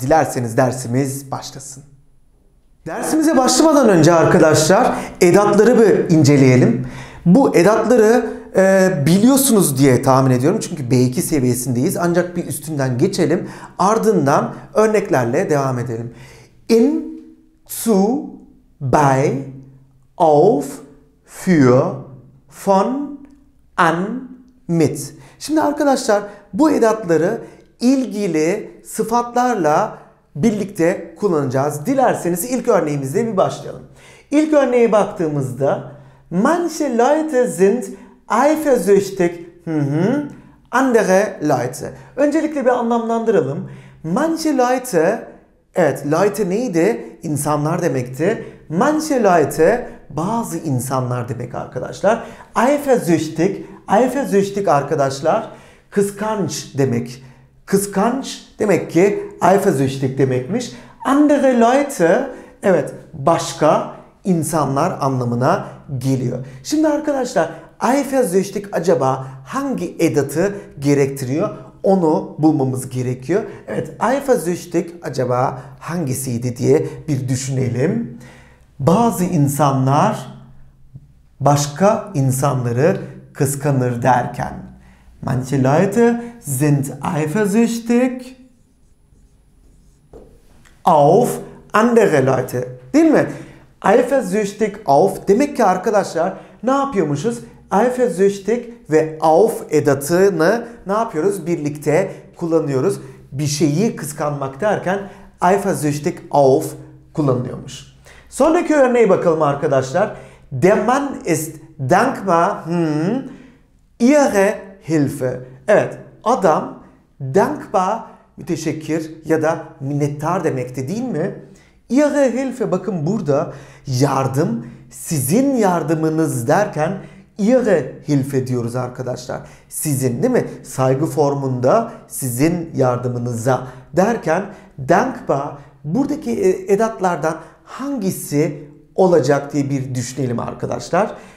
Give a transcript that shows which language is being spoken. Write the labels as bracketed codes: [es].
[tr] Dilerseniz dersimiz başlasın. Dersimize başlamadan önce arkadaşlar edatları bir inceleyelim. Bu edatları biliyorsunuz diye tahmin ediyorum. Çünkü B2 seviyesindeyiz. Ancak bir üstünden geçelim. Ardından örneklerle devam edelim. [de] In, zu, bei, auf, für, von, an, mit. [tr] Şimdi arkadaşlar bu edatları ilgili sıfatlarla birlikte kullanacağız. Dilerseniz ilk örneğimizle bir başlayalım. İlk örneğe baktığımızda [de] manche Leute sind eifersüchtig andere Leute. [tr] Öncelikle bir anlamlandıralım. [de] Manche Leute, [tr] evet, Leute neydi? İnsanlar demekti. [de] Manche Leute, [tr] bazı insanlar demek arkadaşlar. [de] Eifersüchtig, eifersüchtig [tr] arkadaşlar, kıskanç demek. Kıskanç demek ki eifersüchtig demekmiş. [de] Andere Leute, [tr] evet, başka insanlar anlamına geliyor. Şimdi arkadaşlar, eifersüchtig acaba hangi edatı gerektiriyor? Onu bulmamız gerekiyor. Evet, eifersüchtig acaba hangisiydi diye bir düşünelim. Bazı insanlar başka insanları kıskanır derken. [de] Manche Leute sind eifersüchtig auf andere Leute. [tr] Değil mi? [de] Eifersüchtig auf. [tr] Demek ki arkadaşlar ne yapıyormuşuz? Eifersüchtig ve auf edatını ne yapıyoruz? Birlikte kullanıyoruz. Bir şeyi kıskanmak derken [de] eifersüchtig auf [tr] kullanılıyormuş. Sonraki örneğe bakalım arkadaşlar. [de] Der Mann ist dankbar ihre Hilfe. [tr] Evet, adam dankbar, müteşekkir ya da minnettar demekti değil mi? [de] Ihre Hilfe, [tr] bakın burada yardım, sizin yardımınız derken [de] ihre Hilfe [tr] diyoruz arkadaşlar. Sizin, değil mi? Saygı formunda sizin yardımınıza derken dankbar, buradaki edatlardan hangisi olacak diye bir düşünelim arkadaşlar.